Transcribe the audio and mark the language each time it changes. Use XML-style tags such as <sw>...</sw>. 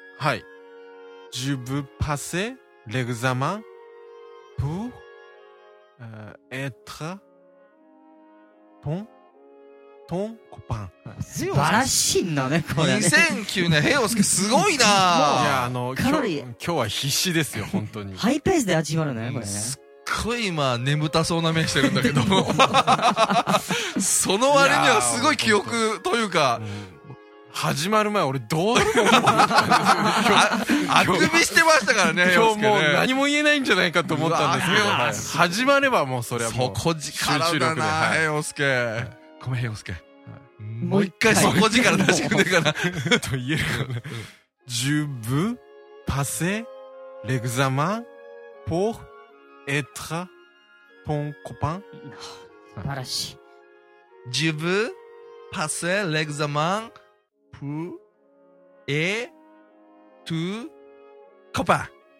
<fr>Hi, je veux passer l'examen pour être ton copain.</fr> <ja>素晴らしいんだねこれね。 2009年ヘヨスケすごいな。いや、かなり今日は必死ですよ本当に。ハイペースで始まるねこれね。すっごい今眠たそうな目してるんだけど。その割にはすごい記憶というか、始まる前俺どうでもあくびしてましたからね、今日もう何も言えないんじゃないかと思ったんですけど、始まればもうそれはもう集中力で、そこ力だなヘヨスケ、ごめんヘヨスケ、もう一回底力出してくれるかな。と言えるかな。ジュブ</ja> <fr>passé l'examen pour être ton copain.</fr> <ja>素晴らしい。</ja> <fr>Je veux passer l'examen pour être ton copain。</fr>